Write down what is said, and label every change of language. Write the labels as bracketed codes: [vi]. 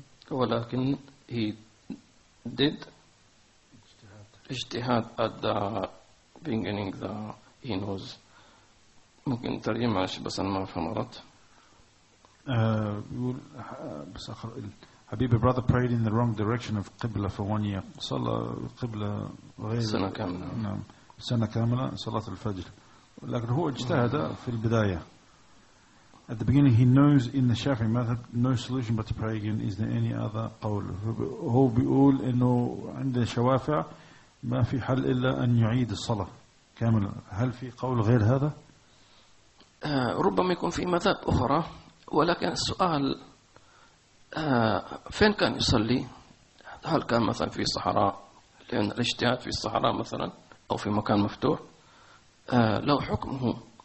[ar] ولكن [en] he did اجتهاد at the beginning the he knows. [ar] ممكن ترجمة بس أنا ما فهمت. يقول بس آخر حبيبي, [en] brother prayed in the wrong direction of Qibla for 1 year. [ar] صلى القبلة غير سنة كاملة. نعم, سنة كاملة صلاة الفجر. لكن هو اجتهد في البداية. [en] At the beginning he knows in the Shafi'i method no solution but to pray again. Is there any other [ar] قول؟ هو بيقول إنه عند الشوافع ما في حل إلا أن يعيد الصلاة كاملة. هل في قول غير هذا؟ ربما يكون في مذاهب أخرى, ولكن السؤال فين كان يصلي؟ هل كان مثلا في صحراء, لأن الاجتهاد في الصحراء مثلا أو في مكان مفتوح له حكمه.